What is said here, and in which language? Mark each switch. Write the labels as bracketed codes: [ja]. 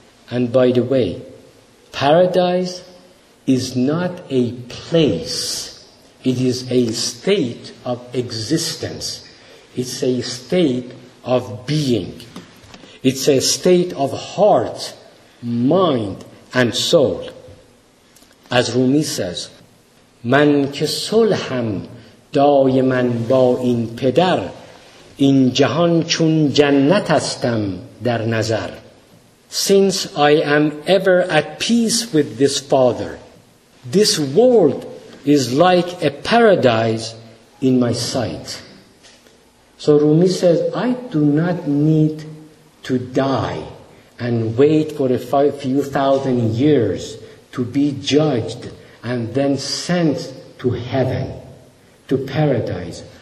[en] And by the way, paradise is not a place. It is a state of existence. It's a state of being. It's a state of heart, mind, and soul. As Rumi says, [fa] من که صلحم دایمن با این پدر این جهان چون جنت استم در نظر. [en] Since I am ever at peace with this father, this world is like a paradise in my sight. So Rumi says, I do not need to die and wait for a few thousand years to be judged and then sent to heaven, to paradise.